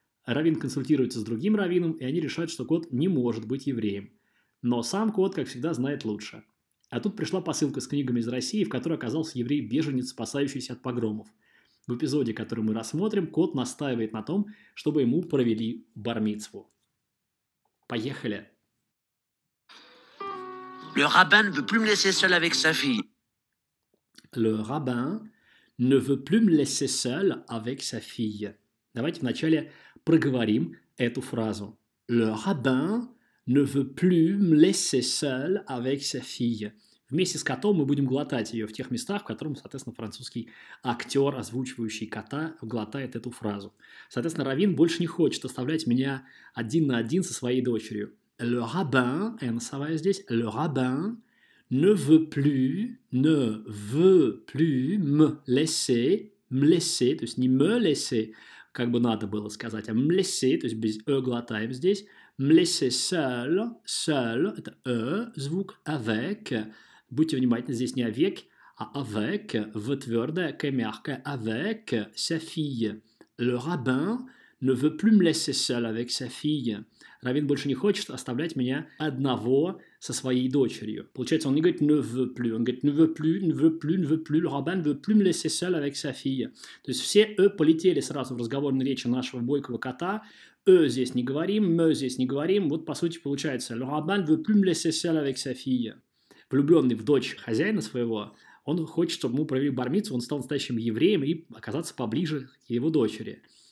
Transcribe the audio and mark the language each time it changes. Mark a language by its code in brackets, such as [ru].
[ru] Раввин консультируется с другим раввином, и они решают, что кот не может быть евреем. Но сам кот, как всегда, знает лучше. А тут пришла посылка с книгами из России, в которой оказался еврей-беженец, спасающийся от погромов. В эпизоде, который мы рассмотрим, кот настаивает на том, чтобы ему провели бар-мицву. Поехали! [fr] Le rabbin veut plus me laisser seul avec sa fille. Le rabbin ne veut plus me laisser seul avec sa fille. [ru] Давайте вначале проговорим эту фразу. [fr] Le rabbin ne veut plus me laisser seul avec sa fille. [ru] Вместе с котом мы будем глотать ее в тех местах, в которых, соответственно, французский актер, озвучивающий кота, глотает эту фразу. Соответственно, раввин больше не хочет оставлять меня один на один со своей дочерью. [fr] Le rabbin, [ru] я называю здесь, [fr] le rabbin ne veut plus me laisser, [ru] то есть не me laisser, как бы надо было сказать, а me laisser, то есть без e глотаем здесь, [fr] me laisser seul, seul, [ru] это e, звук, avec, будьте внимательны, здесь не avec, а avec, v твердое, к мягкое, [fr] avec sa fille. Le rabbin ne veut plus me laisser seul avec sa fille. [ru] Раввин больше не хочет оставлять меня одного со своей дочерью. Получается, он не говорит [fr] «ne veut plus», [ru] он говорит «ne veut plus», «ne veut plus», «ne veut plus», [fr] «le rabbin ne veut plus me laisser seul avec sa fille». [ru] То есть все «e» полетели сразу в разговорной речи нашего бойкого кота. «E» здесь не говорим, «me» здесь не говорим. Вот, по сути, получается [fr] «le rabbin ne veut plus me laisser seul avec sa fille». [ru] Влюбленный в дочь хозяина своего, он хочет, чтобы мы провели бар-мицву, он стал настоящим евреем и оказаться поближе к его дочери.